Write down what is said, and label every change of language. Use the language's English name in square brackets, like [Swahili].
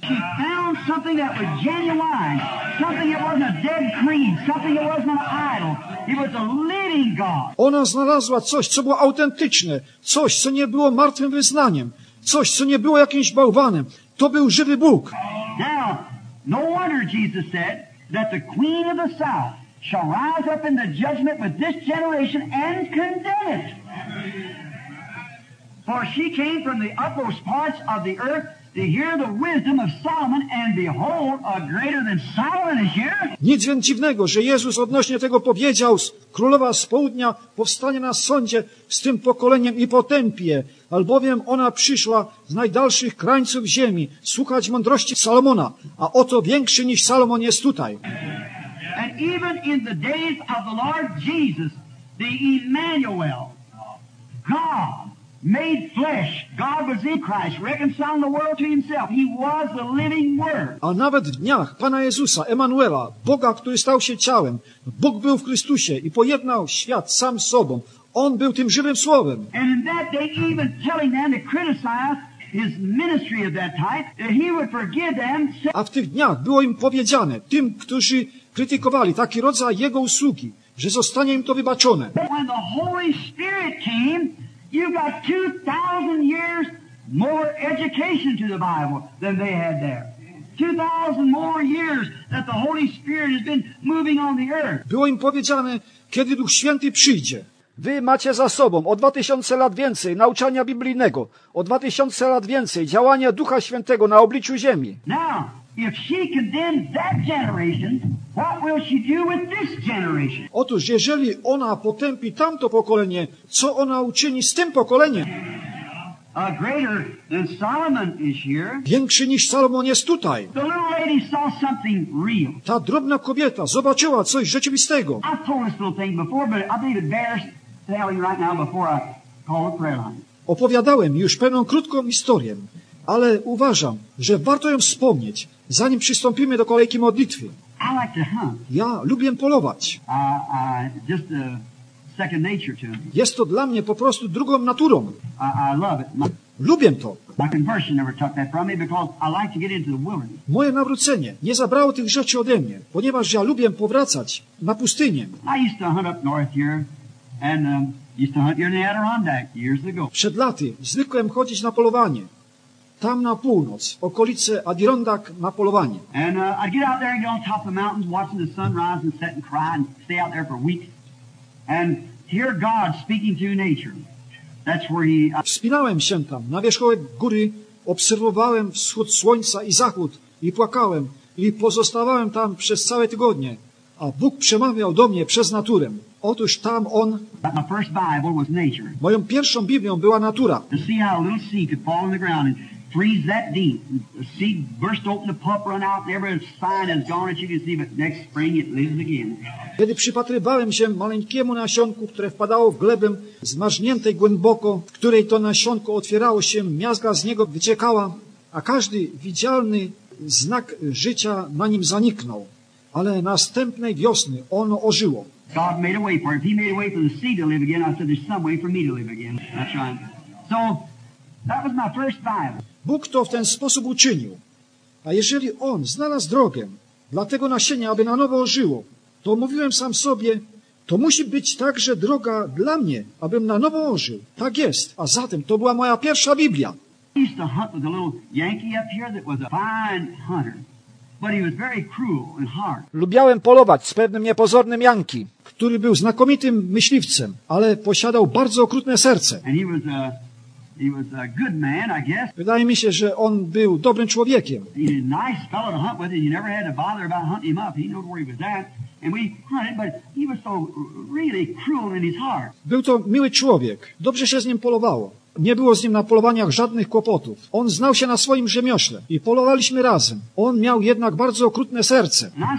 [English] She found something that was genuine. Something that wasn't a dead creed. Something that wasn't an idol. It was a living God. [Polish] Ona znalazła coś, co było autentyczne. Coś, co nie było martwym wyznaniem. Coś, co nie było jakimś bałwanem. To był żywy Bóg. [English] Now, no wonder Jesus said that the queen of the south shall rise up in the judgment with this generation and condemn it. For she came from the utmost parts of the earth to hear the wisdom of Solomon, and behold, a greater than Solomon is here. [Polish] Nic więc dziwnego, że Jezus odnośnie tego powiedział, królowa z południa powstanie na sądzie z tym pokoleniem i potępie, albowiem ona przyszła z najdalszych krańców ziemi słuchać mądrości Salomona, a oto większy niż Salomon jest tutaj. [English] And even in the days of the Lord Jesus, the Emmanuel, God, made flesh, God was in Christ, reconciling the world to himself. He was the living word. [Polish] A nawet w dniach Pana Jezusa, Emanuela, Boga, który stał się ciałem, Bóg był w Chrystusie i pojednał świat sam z sobą. On był tym żywym słowem. [English] And in that day, even telling them to criticize his ministry of that type, that he would forgive them. [Polish] A w tych dniach było im powiedziane, tym, którzy krytykowali taki rodzaj jego usługi, że zostanie im to wybaczone. [English] But when the Holy Spirit came, you've got 2,000 years more education to the Bible than they had there. 2,000 more years that the Holy Spirit has been moving on the earth. [Polish] Było im powiedziane, kiedy Duch Święty przyjdzie. Wy macie za sobą o 2000 lat więcej nauczania biblijnego, o 2000 lat więcej działania Ducha Świętego na obliczu ziemi. [English] Now, if she condemned that generation, what will she do with this generation? [Polish] Otóż, jeżeli ona potępi tamto pokolenie, co ona uczyni z tym pokoleniem? [English] A greater than Solomon is here. [Polish] Większy niż Salomon jest tutaj. [English] The little lady saw something real. [Polish] Ta drobna kobieta zobaczyła coś rzeczywistego. [English] I've told this little thing before, but I believe it bears telling right now before I call a prayer line. [Polish] Opowiadałem już pewną krótką historię, ale uważam, że warto ją wspomnieć, zanim przystąpimy do kolejki modlitwy. [English] I like to hunt. [Polish] Ja lubię polować. [English] Just a second nature to me. [Polish] Jest to dla mnie po prostu drugą naturą. [English] I love it. [Polish] Lubię to. [English] My conversion never took that from me because I like to get into the wilderness. [Polish] Moje nawrócenie nie zabrało tych rzeczy ode mnie, ponieważ ja lubię powracać na pustynię. [English] I used to hunt up north here and used to hunt here in the Adirondack years ago. [Polish] Przed laty zwykłem chodzić na polowanie. Tam na północ, okolice Adirondack, na polowanie. [English] I'd get out there and get on top of the mountains, watching the sun rise and set and cry and stay out there for weeks and hear God speaking to nature. That's where he. [Polish] Wspinałem się tam na wierzchołek góry, obserwowałem wschód słońca i zachód i płakałem i pozostawałem tam przez całe tygodnie, a Bóg przemawiał do mnie przez naturę. Otóż tam on. [English] But my first Bible was nature. [Polish] Moją pierwszą Biblią była natura. [English] To see how a little seed could fall on the ground and freeze that deep. The seed burst open, the pup run out, and every sign is gone that you can see, but next spring it lives again. [Polish] Kiedy przypatrywałem się maleńkiemu nasionku, które wpadało w glebę zmarzniętej głęboko, w której to nasionko otwierało się, miazga z niego wyciekała, a każdy widzialny znak życia na nim zaniknął. Ale następnej wiosny ono ożyło. [English] God made a way for it. If he made a way for the seed to live again, I said, there's some way for me to live again. That's right. So, that was my first Bible. [Polish] Bóg to w ten sposób uczynił. A jeżeli On znalazł drogę dla tego nasienia, aby na nowo ożyło, to mówiłem sam sobie, to musi być także droga dla mnie, abym na nowo ożył. Tak jest. A zatem to była moja pierwsza Biblia. [English] He used to hunt with a little Yankee up here that was a fine hunter. But he was very cruel and hard. [Polish] Lubiałem polować z pewnym niepozornym Yankee, który był znakomitym myśliwcem, ale posiadał bardzo okrutne serce. [English] And he was a good man, I guess. [Polish] Wydaje mi się, że on był dobrym człowiekiem. [English] He was a nice fellow to hunt with, and you never had to bother about hunting him up. He knew where he was at. And we hunted, but he was so really cruel in his heart. [Polish] Był to miły człowiek. Dobrze się z nim polowało. Nie było z nim na polowaniach żadnych kłopotów. On znał się na swoim rzemiośle i polowaliśmy razem. On miał jednak bardzo okrutne serce.